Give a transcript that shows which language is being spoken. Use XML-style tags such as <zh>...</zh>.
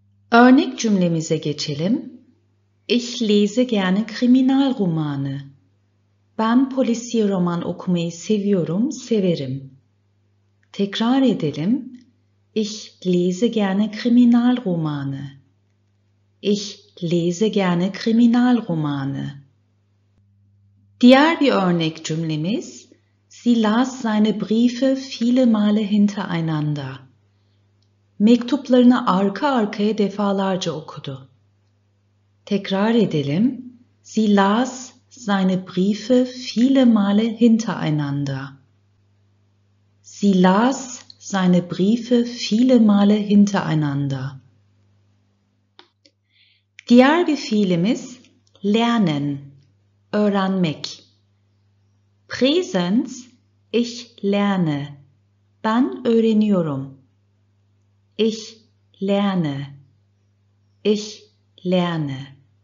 <tr>Örnek cümlemize geçelim.</tr> <de>Ich lese gerne Kriminalromane.</de> <tr>Ben polisiye roman okumayı seviyorum, severim. Tekrar edelim.</tr> <de>Ich lese gerne Kriminalromane. Ich lese gerne Kriminalromane.</de> <tr>Diğer bir örnek cümlemiz.</tr> <de>Sie las seine Briefe viele Male hintereinander.</de> <tr>Mektuplarını arka arkaya defalarca okudu. Tekrar edelim.</tr> <de>Sie las seine Briefe viele Male hintereinander. Sie las seine Briefe viele Male hintereinander.</de> <tr>Diğer bir fiilimiz lernen, öğrenmek.</tr> <de>Präsens, ich lerne.</de> <tr>Ben öğreniyorum.</tr> <de>Ich lerne. Ich lerne.</de>